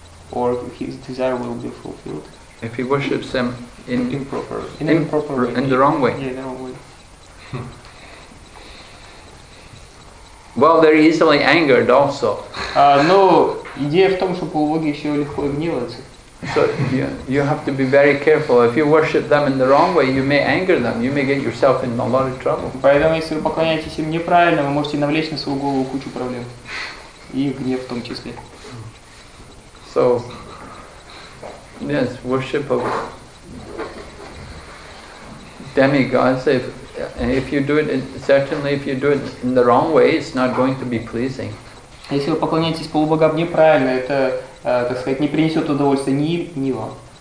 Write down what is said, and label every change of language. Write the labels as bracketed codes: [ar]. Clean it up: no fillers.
[en] Or his desire will be fulfilled. If he worships them in improper, in the wrong way. Yeah, in the wrong way. Well, they're easily angered also. [ru] Но идея в том, что полубоги еще легко гневаются. [en] So you have to be very careful. If you worship them in the wrong way, you may anger them. You may get yourself in a lot of trouble. [ru] Поэтому если вы поклоняетесь им неправильно, вы можете навлечь на свою голову кучу проблем и гнев в том числе. [en] So, yes, worship of demigods. If you do it, certainly, if you do it in the wrong way, it's not going to be pleasing. [ru] Если вы поклоняетесь полубогам неправильно, это, так сказать, не принесет удовольствия ни им, ни вам.